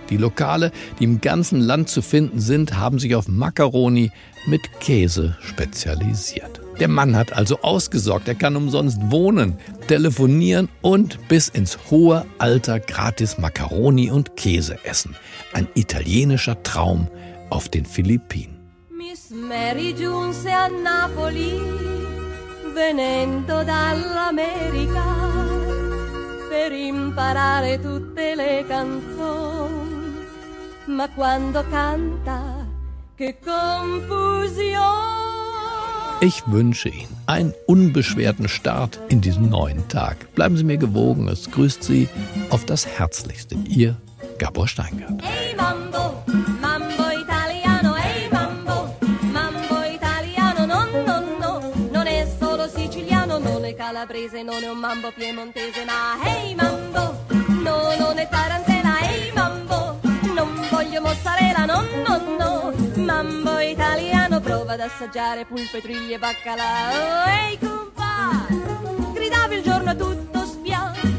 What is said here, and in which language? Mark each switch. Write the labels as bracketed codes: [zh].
[de] Die Lokale, die im ganzen Land zu finden sind, haben sich auf Macaroni mit Käse spezialisiert. Der Mann hat also ausgesorgt. Er kann umsonst wohnen, telefonieren und bis ins hohe Alter gratis Macaroni und Käse essen. Ein italienischer Traum auf den Philippinen. [it] Miss Mary giunse a Napoli, venendo dall'America. Per imparare tutte le canzoni, ma quando canta, che confusione! [de] Ich wünsche Ihnen einen unbeschwerten Start in diesen neuen Tag. Bleiben Sie mir gewogen, es grüßt Sie auf das Herzlichste. Ihr Gabor Steingart. [it] Hey Mambo, Mambo Italiano, hey Mambo, Mambo Italiano, no, no, no, non è solo siciliano, non è calabrese, non è un mambo piemontese, ma hey Mambo, no, non è tarantella, hey Mambo, non voglio mozzarella, no, no, no, Mambo Italiano, prova ad assaggiare pulpe, triglie e baccalà, oh, hey compa, gridava il giorno tutto spiano,